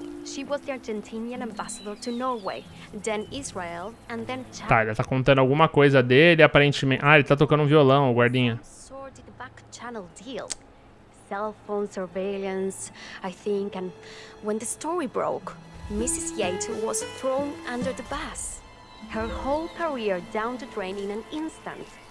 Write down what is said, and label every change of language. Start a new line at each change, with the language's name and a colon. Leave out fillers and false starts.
English: She was the Argentinian ambassador to Norway, then Israel, and then China.
Portuguese: Tá, ele tá contando alguma coisa dele, aparentemente. Ah, ele tá tocando um violão, o guardinha.
English: Sordid back channel deal. Cell phone surveillance, I think, and when the story broke, Mrs. Yates was thrown under the bus. Her whole career down the drain in an instant.